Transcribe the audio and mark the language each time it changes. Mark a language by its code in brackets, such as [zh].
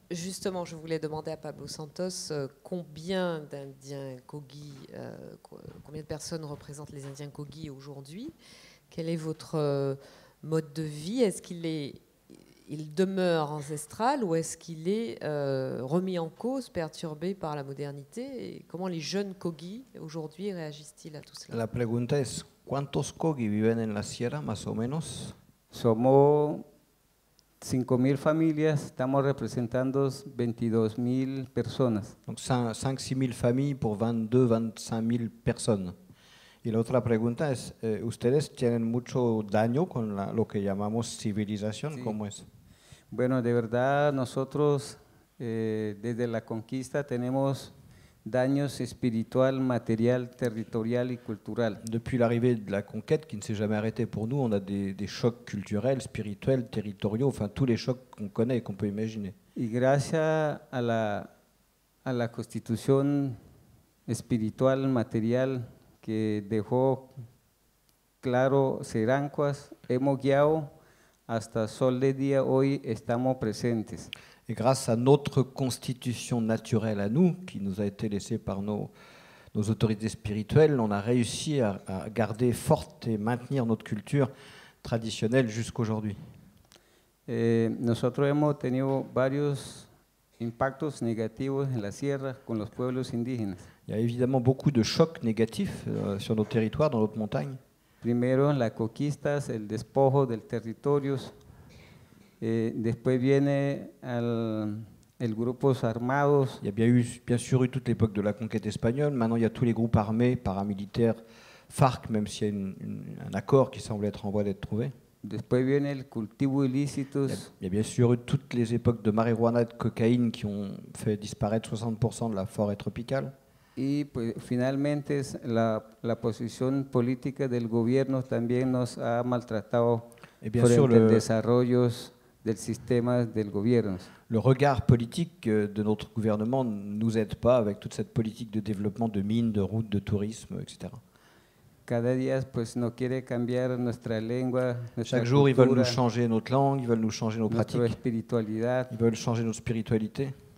[fr] Justement, je voulais demander à Pablo Santos combien d'Indiens Kogi, combien de personnes représentent les Indiens Kogi aujourd'hui. Quel est votre mode de vie? Est-ce qu'il est... Il demeure ancestral ou est-ce qu'il est remis en cause, perturbé par la modernité? Et comment les jeunes Kogi aujourd'hui réagissent-ils à tout cela? [es] La pregunta es, ¿cuántos Kogi viven en la sierra, más o menos? Somos 5.000 familias, estamos representando 22.000 personas. [fr] Donc 5-6.000 familles pour 22-25.000 personnes. [es] Y la otra pregunta es, ¿ustedes tienen mucho daño con lo que llamamos civilización? Sí. ¿Cómo es? Bueno, de verdad, nosotros desde la conquista tenemos daños espiritual, material, territorial y cultural. [fr] Depuis l'arrivée de la conquête, qui ne s'est jamais arrêtée pour nous, on a des chocs culturels, spirituels, territoriaux, enfin tous les chocs qu'on connaît et qu'on peut imaginer. [es] Y gracias a la constitución espiritual, material, que dejó claro Serancuas, hemos guiado hasta sol de día, hoy estamos presentes. [fr] Et grâce à notre constitution naturelle à nous, qui nous a été laissée par nos autorités spirituelles, on a réussi à garder forte et maintenir notre culture traditionnelle jusqu'aujourd'hui. [es] Nosotros hemos tenido varios impactos negativos en la sierra con los pueblos indígenas. [fr] Il y a évidemment beaucoup de chocs négatifs sur nos territoires, dans notre montagne. [es] Primero, la conquista, el despojo del territorio. Después viene el grupos armados. [fr] Il y a bien sûr eu toute l'époque de la conquête espagnole. Maintenant, il y a tous les groupes armés, paramilitaires, FARC, même s'il y a un accord qui semble être en voie d'être trouvé. [es] Después viene el cultivo ilícito. [fr] Il y a bien sûr eu toutes les époques de marijuana et de cocaïne qui ont fait disparaître 60% de la forêt tropicale. [es] Y pues, finalmente la posición política del gobierno también nos ha maltratado frente [fr] sûr, [es] al desarrollo del sistema del gobierno. [fr] Le regard politique de notre gouvernement nous aide pas avec toute cette politique de développement de mines, de routes, de tourisme, etc. [es] Cada día pues no quiere cambiar nuestra lengua, nuestra [fr] chaque jour [es] cultura, [fr] ils veulent nous changer notre langue, ils veulent nous changer nos pratiques, [es] espiritualidad. [fr] Ils veulent changer notre spiritualité.